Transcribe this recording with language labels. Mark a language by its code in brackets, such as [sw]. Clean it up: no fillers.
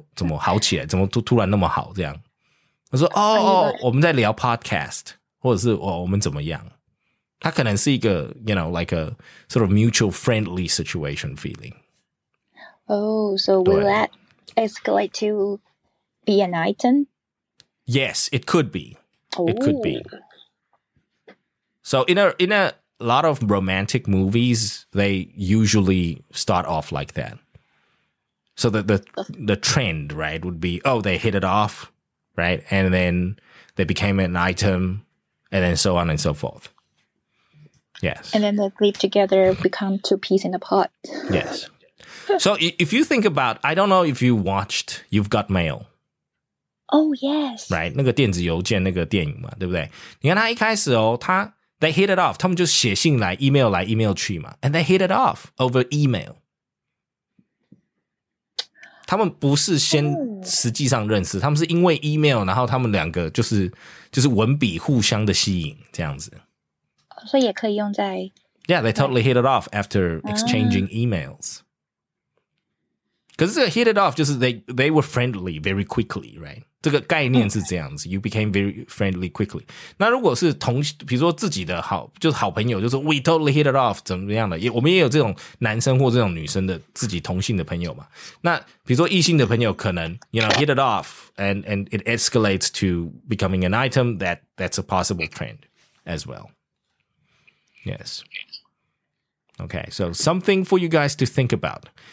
[zh] 那你们两个怎么好起来,怎么突然那么好这样?他说,哦,我们在聊podcast, 或者是,哦,我们怎么样? 他可能是一个, [en] you know, like a sort of mutual friendly situation feeling. Oh, so will that escalate to be an item? Yes, it could be. It could be. So in a lot of romantic movies, they usually start off like that. So the trend, right, would be, oh, they hit it off, right? And then they became an item, and then so on and so forth. Yes. And then they live together, become two peas in a pot. Yes. So if you think about, I don't know if you watched You've Got Mail. Oh, yes. Right? [zh] 那个电子邮件那个电影嘛,对不对?你看他一开始哦,他... [en] They hit it off. [zh] 他们就写信来, email 来, email 去嘛, [en] and they hit it off over email. [zh] 他们不是先实际上认识, 他们是因为 email, 然后他们两个就是文笔互相的吸引这样子。所以也可以用在... [en] Yeah, they totally hit it off after exchanging emails. [zh] 可是这个 [en] hit it off [zh] 就是 [en] they were friendly very quickly, right? [zh] 这个概念是这样子, [en] you became very friendly quickly. [zh] 那如果是同, 比如说自己的好, 就是好朋友就说, [en] we totally hit it off, [zh] 怎么样的, 也, 我们也有这种男生或这种女生的自己同性的朋友嘛。那比如说异性的朋友可能, [en] you know, hit it off, and it escalates to becoming an item, that's a possible trend as well. Yes. Okay, so something for you guys to think about.